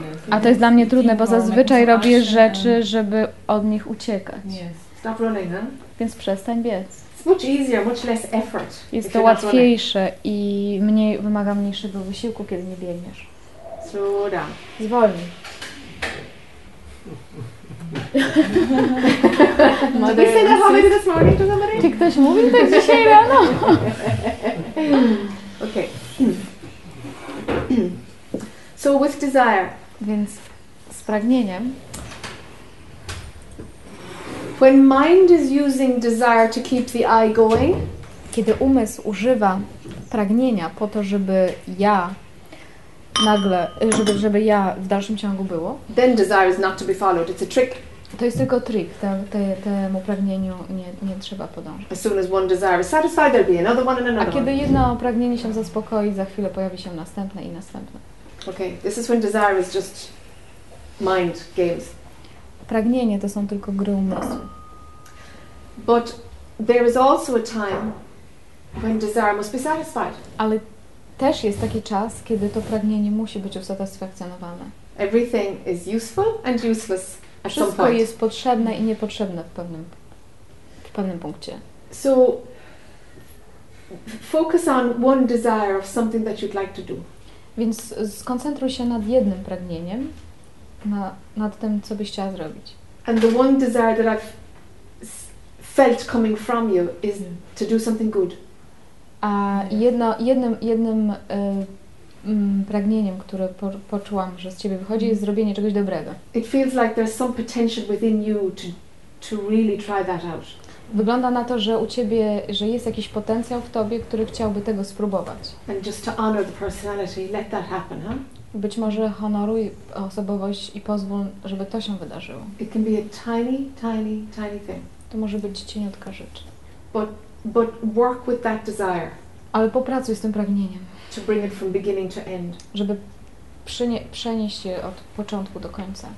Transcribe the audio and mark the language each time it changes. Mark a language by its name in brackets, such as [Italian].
[Polish] A to jest dla mnie trudne, bo zazwyczaj robię rzeczy, żeby od nich uciekać. [English] Stop running, then. [Polish] Więc przestań biec. [English] Much easier, much less effort. [Polish] Jest to łatwiejsze i mniej wymaga mniejszego wysiłku, kiedy nie biegniesz. [English] Slow down. [Polish] Zwolnij. [English] Did you say that how we did this morning to somebody? [Polish] Czy ktoś mówił tak dzisiaj rano? [English] Okay. So with desire. [Polish] Więc z pragnieniem. [English] When mind is using desire to keep the eye going, [Polish] kiedy umysł używa pragnienia po to, żeby ja nagle, żeby ja w dalszym ciągu było, [English] then desire is not to be followed. It's a trick. [Polish] To jest tylko trik, temu pragnieniu nie trzeba podążać. [English] As soon as one desire is satisfied, there'll be another one and another. [Polish] A kiedy jedno pragnienie się zaspokoi, za chwilę pojawi się następne i następne. [English] Okay, this is when desire is just mind games. [Polish] Pragnienie to są tylko gry umysłu. [English] But there is also a time when desire must be satisfied. [Polish] Ale też jest taki czas, kiedy to pragnienie musi być usatysfakcjonowane. [English] Everything is useful and useless. [Polish] Wszystko jest potrzebne i niepotrzebne w pewnym punkcie. [English] So focus on one desire of something that you'd like to do. [Polish] Więc skoncentruj się nad jednym pragnieniem, nad tym, co byś chciała zrobić. [English] And the one desire that I've felt coming from you is to do something good. [Polish] A jednym pragnieniem, które poczułam, że z ciebie wychodzi, jest zrobienie czegoś dobrego. [English] It feels like there's some potential within you to really try that out. [Polish] Wygląda na to, że u ciebie, że jest jakiś potencjał w tobie, który chciałby tego spróbować. [English] And just to honor the personality, let that happen, huh? [Polish] Być może honoruj osobowość i pozwól, żeby to się wydarzyło. [English] It can be a tiny, tiny, tiny thing. [Polish] To może być cieniutka rzecz. [English] But work with that desire. [Polish] Ale popracuj z tym pragnieniem. [English] To bring it from beginning to end. [Polish] Żeby przenieść je od początku do końca.